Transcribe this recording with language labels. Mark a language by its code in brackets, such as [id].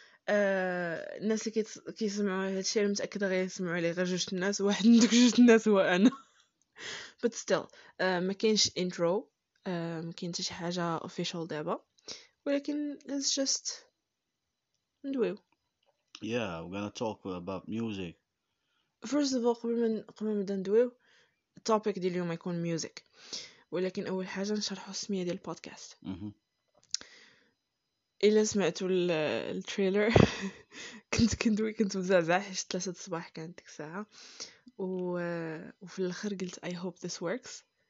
[ar] الناس اللي كيسمعوا هذا الشيء متأكدة غير يسمعوا لي غير جوج الناس، واحد من دوك جوج الناس هو أنا. [en] But still، [ar] ما كاينش intro، ما كاينش شي حاجة official دابا، ولكن [en] it's just [ar] ندويو. [en] Yeah, we're gonna talk about music. First of all، [ar] قبل ما نبدا ندويو، topic ديال اليوم يكون music. ولكن اول حاجه نشرحوا السميه ديال البودكاست. الا سمعتوا التريلر كنت مزعزع حيت ثلاثه الصباح كانت ديك الساعه، وفي الاخر قلت [en] I hope this works.